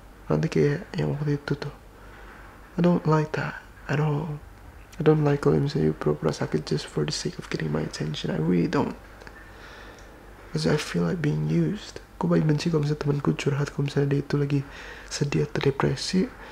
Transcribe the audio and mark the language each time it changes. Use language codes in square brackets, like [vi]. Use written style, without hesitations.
[id] Nanti kayak yang waktu itu tuh. [en] I don't like that. At all. I don't like [id] kalau misalnya [en] you [id] pura-pura sakit [en] just for the sake of getting my attention. I really don't. Because I feel like being used. [id] Aku paling benci kalau misalnya temanku curhat kalau misalnya dia itu lagi sedih atau depresi.